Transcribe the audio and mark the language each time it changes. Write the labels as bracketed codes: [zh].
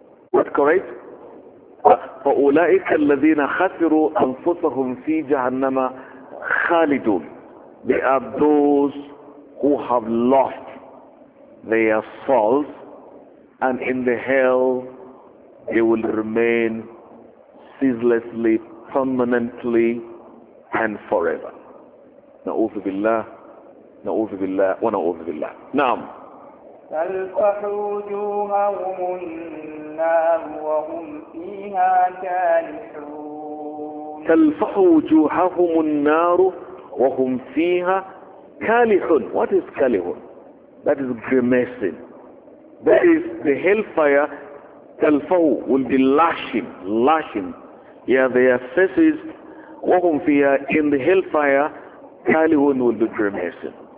[en] What correct? [ar] فَأُولَيْكَ الَّذِينَ خَاسِرُوا أَنفُسَهُمْ فِي جَهَنَّمَ خَالِدُونَ. [en] They are those who have lost their souls, and in the hell they will remain ceaselessly, permanently, and forever. [ar] نَعُوذُ بِاللَّهِ نَعُوذُ بِاللَّهِ وَنَعُوذُ بِاللَّهِ. نعم. تلفح وجوههم النار وهم فيها كالحون. تلفح وجوههم النار وهم فيها كالحون. [en] What is كالحون? That is grimacing. That is the hellfire. تلفح will be lashing. Yeah, their faces, [ar] وهم فيها, [en] in the hellfire, كالحون will be grimacing.